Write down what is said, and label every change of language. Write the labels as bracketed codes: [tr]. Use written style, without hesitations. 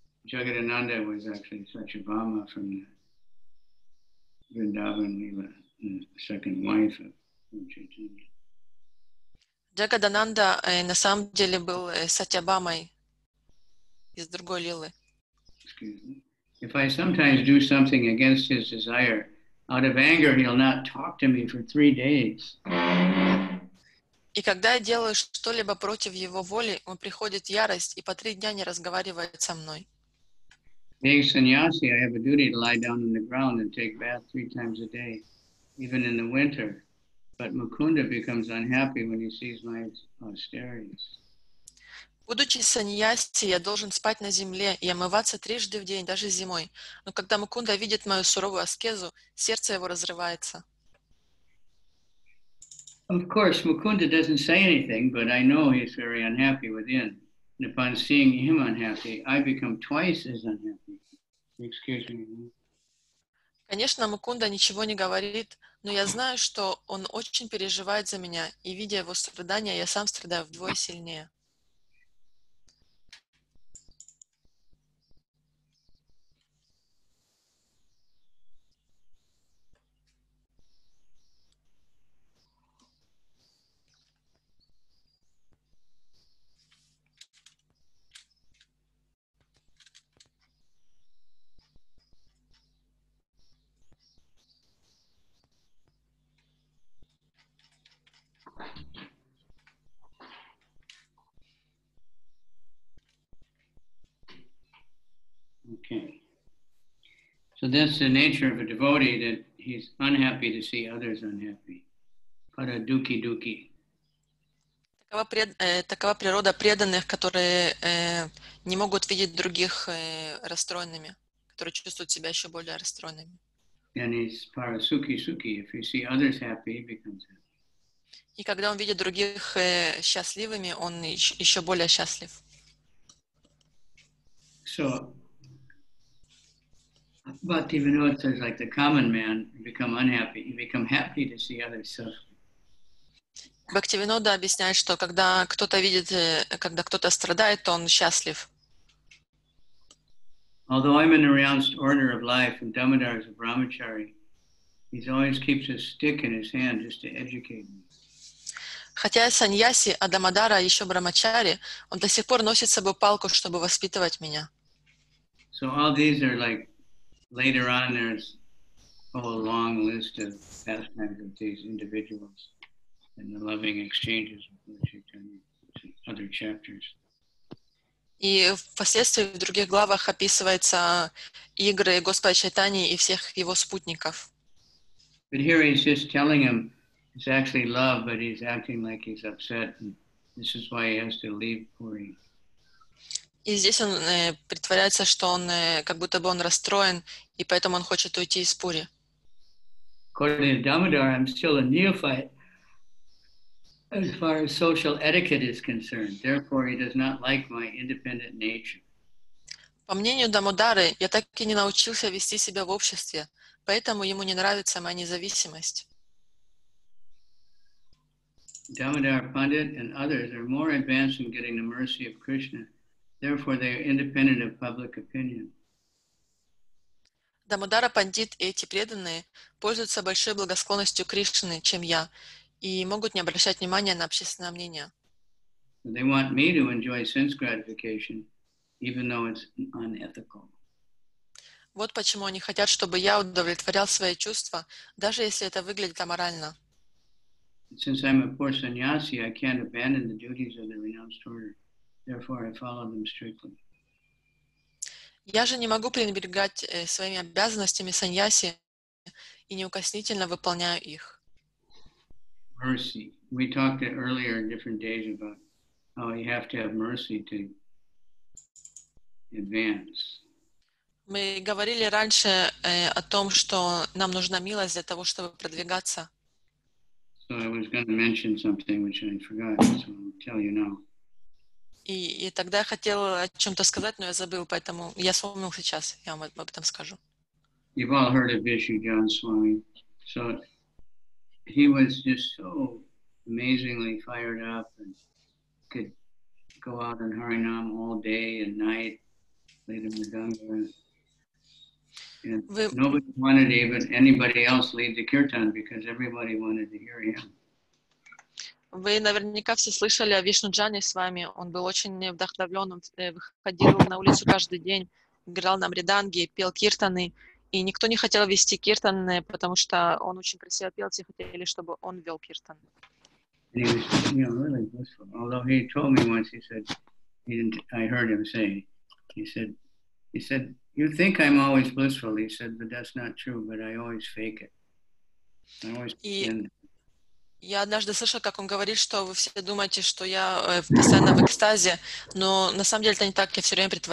[en] Jagadananda was actually Satchabhama from the Vrindavan Leela, the second wife of Chaitanya. [ru] Джагадананда на самом деле был Сатьябамой из другой Лилы. [en] If I sometimes do something against his desire, out of anger, he'll not talk to me for 3 days. [ru] И когда я делаю что-либо против его воли, он приходит в ярость и по 3 дня не разговаривает со мной. [en] Being sannyasi, I have a duty to lie down on the ground and take bath 3 times a day, even in the winter. But Mukunda becomes unhappy when he sees my austerities. [ru] Будучи саньяси, я должен спать на земле и омываться 3 раза в день, даже зимой. Но когда Мукунда видит мою суровую аскезу, сердце его разрывается. [en] Of course, Mukunda doesn't say anything, but I know he's very unhappy within. And upon seeing him unhappy, I become twice as unhappy. Excuse me. [ru] Конечно, Мукунда ничего не говорит, но я знаю, что он очень переживает за меня, и видя его страдания, я сам страдаю вдвое сильнее. [en] So that's the nature of a devotee, that he's unhappy to see others unhappy. Para duki duki. [ru] Такова природа преданных, которые не могут видеть других расстроенными, которые чувствуют себя еще более расстроенными. [en] And he's para suki suki. If you see others happy, he becomes happy. [ru] И когда он видит других счастливыми, он еще более счастлив. [en] So Bhaktivinoda says, like the common man, you become unhappy. You become happy to see others suffering. [ru] Bhaktivinoda объясняет, что когда кто-то видит, когда кто-то страдает, то он счастлив. [en] Although I'm in a renounced order of life and Damodar is a brahmachari, he always keeps a stick in his hand just to educate me. [ru] Хотя я саньяси, а Дамодара еще брамачари, он до сих пор носит с собой палку, чтобы воспитывать меня. [en] So all these are like later on, there's a whole long list of pastimes of these individuals and the loving exchanges of Lord Chaitanya in other chapters. [ru] И впоследствии в других главах описывается игры Господа Чайтани и всех его спутников. [en] But here he's just telling him it's actually love, but he's acting like he's upset, and this is why he has to leave Puri. [ru] И здесь он притворяется, что он как будто бы он расстроен, и поэтому он хочет уйти из Пури. [en] According to Damodar, I'm still a neophyte as far as social etiquette is concerned. Therefore, he does not like my independent nature. [ru] По мнению Дамодары, я так и не научился вести себя в обществе, поэтому ему не нравится моя независимость. [en] Damodar Pandit and others are more advanced in getting the mercy of Krishna. Therefore, they are independent of public opinion. [ru] Дамодара Пандит и эти преданные пользуются большой благосклонностью Кришны, чем я, и могут не обращать внимания на общественное мнение. [en] They want me to enjoy sense gratification, even though it's unethical. [ru] Вот почему они хотят, чтобы я удовлетворял свои чувства, даже если это выглядит аморально. [en] Since I'm a poor sannyasi, I can't abandon the duties of the renounced order. Therefore, I follow them strictly. [ru] Я же не могу пренебрегать своими обязанностями саньяси и неукоснительно выполняю их. [en] Mercy. We talked earlier in different days about how you have to have mercy to advance. [ru] Мы говорили раньше о том, что нам нужна милость для того, чтобы продвигаться. [en] So I was going to mention something which I forgot, so I'll tell you now. [ru] И тогда я хотел о чем-то сказать, но я забыл, поэтому я вспомнил сейчас, я вам об этом скажу. [en] You've all heard of Vishujan Swami. So he was just so amazingly fired up and could go out and Harinam all day and night, lead him the Ganga. Nobody wanted even anybody else lead the Kirtan because everybody wanted to hear him. [ru] Вы наверняка все слышали о Вишнуджане с вами. Он был очень вдохновлен, он выходил на улицу каждый день, играл на мриданге, пел киртаны, и никто не хотел вести киртаны, потому что он очень красиво пел, все хотели, чтобы он вел киртан. [en] He was, you know, really blissful. Although he told me once, he said, he didn't, I heard him say, he said, you think I'm always blissful, he said, but that's not true, but I always fake it. I always pretend. [ru] Я однажды слышал, как он говорит, что вы все думаете, что я постоянно в экстазе, но на самом деле это не так, я все время